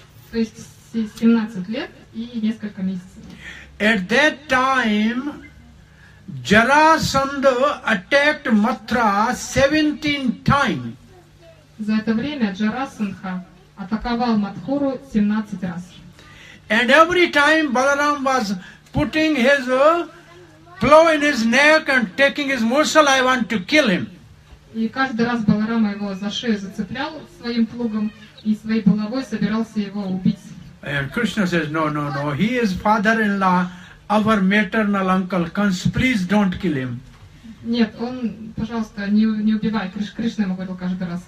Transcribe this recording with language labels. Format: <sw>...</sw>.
<ru>То есть 17 лет и несколько месяцев.</ru> <en>At that time, Jarasandha attacked Mathura 17 times.</en> <ru>За это время Джарасандха атаковал Матхуру 17 раз.</ru> <en>And every time Balaram was putting his plow in his neck and taking his musal, I want to kill him.</en> <ru>И каждый раз Баларама его за шею зацеплял своим плугом и своей булавой собирался его убить.</ru> <en>And Krishna says, no, no, no, he is father-in-law, our maternal uncle, comes, please don't kill him.</en> <ru>Нет, он, пожалуйста, не убивай. Кришна ему говорил каждый раз.</ru>